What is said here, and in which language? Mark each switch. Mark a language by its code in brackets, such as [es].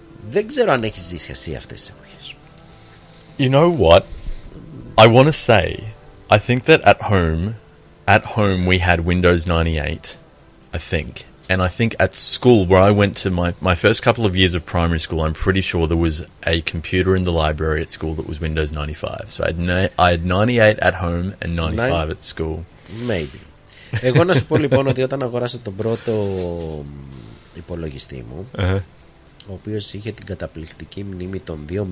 [el] Δεν ξέρω αν έχεις ζήσει εσύ αυτές τις εποχές. [en] You know what? I want to say, I think that at home we had Windows 98, I think. And I think at school, where I went to my first couple of years of primary school, I'm pretty sure there was a computer in the library at school that was Windows 95. So I had 98 at home and 95 at school. Maybe. [el] Εγώ να σου πω λοιπόν ότι όταν αγόρασα τον πρώτο υπολογιστή μου, ο οποίος είχε την καταπληκτική μνήμη των 2 MB.